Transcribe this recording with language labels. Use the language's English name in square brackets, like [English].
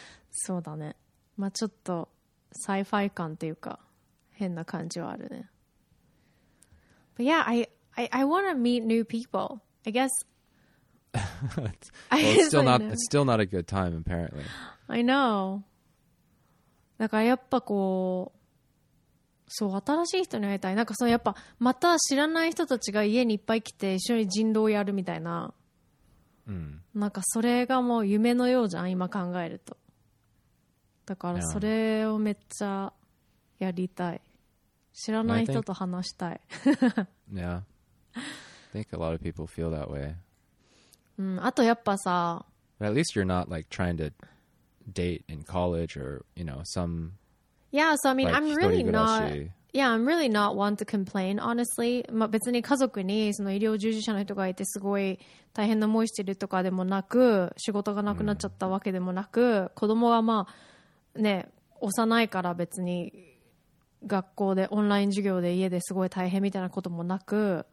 [Japanese] そうだね。まあちょっと sci-fi 感というか変な感じはあるね。 [English] But yeah, I want to meet new people. I guess... well, it's still not a good time, apparently. I know. [Japanese] だからやっぱこう、そう、新しい人に会いたい。なんかそのやっぱまた知らない人たちが家にいっぱい来て一緒に人狼やるみたいな。なんかそれがもう夢のようじゃん、今考えると。だからそれをめっちゃやりたい。知らない人と話したい。 [English] Yeah. I think a lot of people feel that way. [Japanese] あとやっぱさ、 [English] But、at least you're not like trying to date in college or you know some. Yeah, so I mean, like, I'm really not. Yeah, I'm really not one to complain, honestly. [Japanese] まあ、別に家族にその医療従事者の人がいてすごい大変な思いしてるとかでもなく、仕事がなくなっちゃったわけでもなく、子供がまあね幼いから別に学校でオンライン授業で家ですごい大変みたいなこともなく。